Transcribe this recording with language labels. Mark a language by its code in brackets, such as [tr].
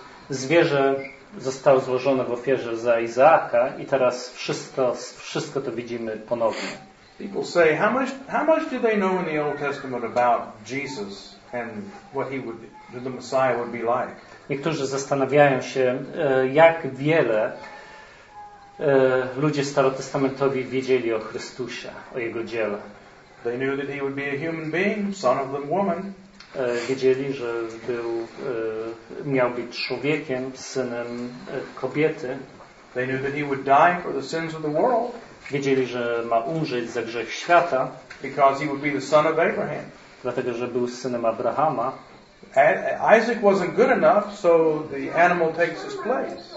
[pl] Zwierzę zostało złożone w ofierze za Izaaka i teraz wszystko to widzimy ponownie. [en] People say, how much do they know in the Old Testament about Jesus and what he would, what the Messiah would be like? [pl] Niektórzy zastanawiają się, jak wiele ludzie starotestamentowi wiedzieli o Chrystusie, o jego dziele. [en] They knew that he would be a human being, son of the woman. [pl] Wiedzieli, że był, miał być człowiekiem, synem kobiety. [en] They knew that he would die for the sins of the world. [pl] Wiedzieli, że ma umrzeć za grzech świata. [en] Because he would be the son of Abraham. [pl] Dlatego, że był synem Abrahama. [en] Isaac wasn't good enough, so the animal takes his place.